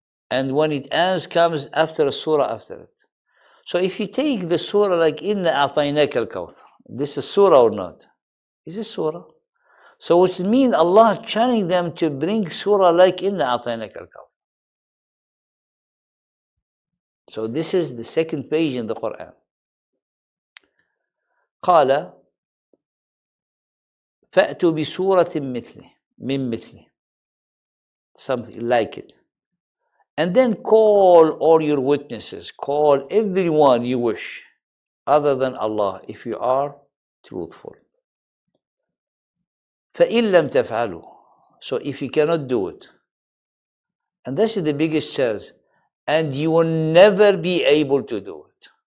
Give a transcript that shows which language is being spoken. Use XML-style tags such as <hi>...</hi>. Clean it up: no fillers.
<en>And when it ends, comes after a surah after it. So if you take the surah like Inna A'tainaka Al-Kawthar, this is surah or not? It's a surah. So which means Allah challenging them to bring surah like Inna A'tainaka Al-Kawthar. So this is the second page in the Quran.</en> <ar>قال فأتوا بسورة مثله من مثله,</ar> <en>something like it. And then call all your witnesses, call everyone you wish, other than Allah, if you are truthful.</en> <ar>فَإِن لَمْ تَفْعَلُوا,</ar> <en>so if you cannot do it, and this is the biggest challenge, and you will never be able to do it.</en>